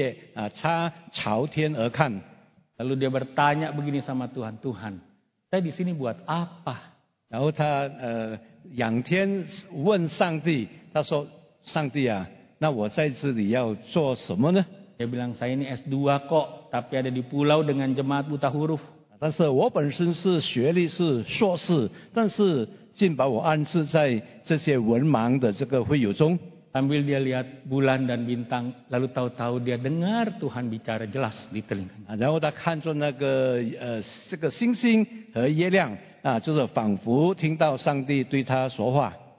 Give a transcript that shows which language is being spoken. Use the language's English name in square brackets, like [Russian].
[Chinese] 他从这个干的这个树枝树叶，他朝天而看。 [Indonesian] Lalu dia bertanya begini sama Tuhan, Tuhan, saya di sini buat apa? [Chinese] 然后他仰天问上帝，他说，上帝啊，那我在这里要做什么呢？ [Indonesian] Dia bilang, saya ini S2 kok, tapi ada di pulau dengan jemaat buta huruf. [Chinese] 但是我本身是学历是硕士，但是竟把我安置在这些文盲的这个会友中。 [Indonesian] Sambil dia lihat bulan dan bintang, lalu tahu-tahu dia dengar Tuhan bicara jelas di telinganya. [Chinese] 然后他看着那个这个星星和月亮，就是仿佛听到上帝对他说话。